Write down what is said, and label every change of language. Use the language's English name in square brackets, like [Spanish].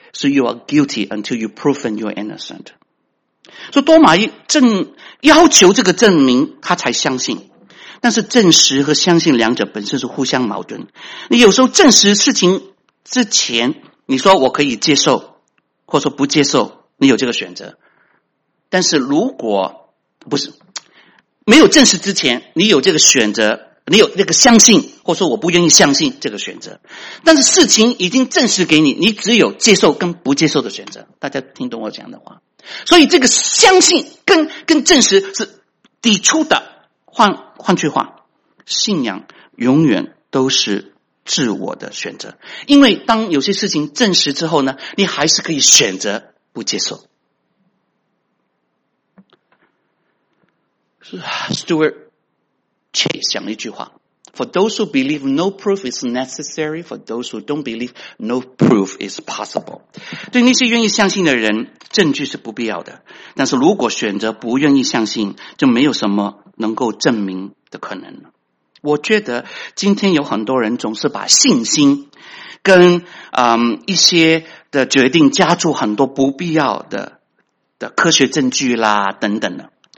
[English] So you are guilty until you proven you are innocent. [Chinese] 所以多马正要求这个证明他才相信，但是证实和相信两者本身是互相矛盾。你有时候证实事情之前你说我可以接受或说不接受，你有这个选择，但是如果不是没有证实之前，你有这个选择，你有那个相信或说我不愿意相信这个选择，但是事情已经证实给你，你只有接受跟不接受的选择。大家听懂我讲的话？所以这个相信跟证实是抵触的。换句话，信仰永远都是自我的选择，因为当有些事情证实之后呢，你还是可以选择不接受。 [English] StuartChase [Chinese] 讲了一句话 [English] For those who believe no proof is necessary, for those who don't believe no proof is possible. [Chinese] 对那些愿意相信的人，证据是不必要的，但是如果选择不愿意相信，就没有什么能够证明的可能。我觉得今天有很多人总是把信心跟一些的决定加注很多不必要的科学证据啦等等的。